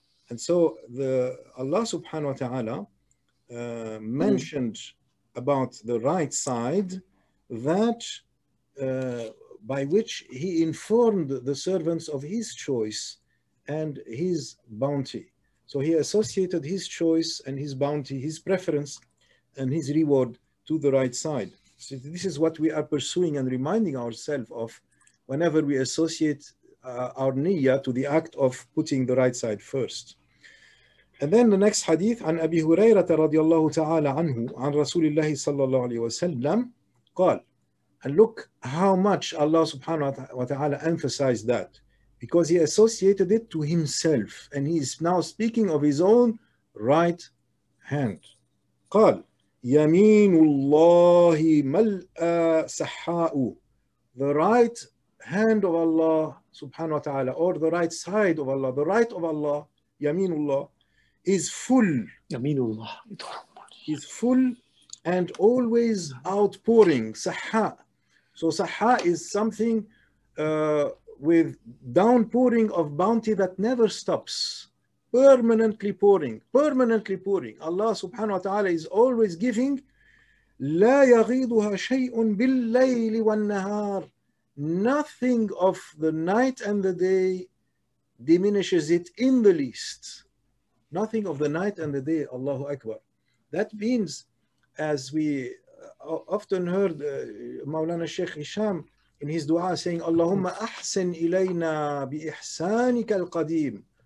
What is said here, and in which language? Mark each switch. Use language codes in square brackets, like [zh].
[en] And so the Allah subhanahu wa ta'ala mentioned about the right side, that by which he informed the servants of his choice and his bounty. So he associated his choice and his bounty, his preference, and his reward to the right side. So this is what we are pursuing and reminding ourselves of whenever we associate our niyya to the act of putting the right side first. And then the next hadith, [ar] عن أبي هريرة رضي الله تعالى عنه عن رسول الله صلى الله عليه وسلم قال. [en] And look how much Allah subhanahu wa ta'ala emphasized that, because he associated it to himself, and he is now speaking of his own right hand. [ar] قال يمين الله ملأ سحاء. [en] The right hand of Allah subhanahu wa ta'ala, or the right side of Allah, the right of Allah, [ar] يمين الله, [en] is full. [ar] يمين الله. [en] Is full and always outpouring. سحاء. So saha is something with downpouring of bounty that never stops, permanently pouring. Allah subhanahu wa ta'ala is always giving. [ar] لا يغيضها شيء بالليل والنهار. [en] Nothing of the night and the day diminishes it in the least. Nothing of the night and the day, Allahu Akbar. That means, as we often heard Mawlana Sheikh Hisham in his dua saying, [ar] Allahumma ahsin ilayna bi ihsanika al-qadim.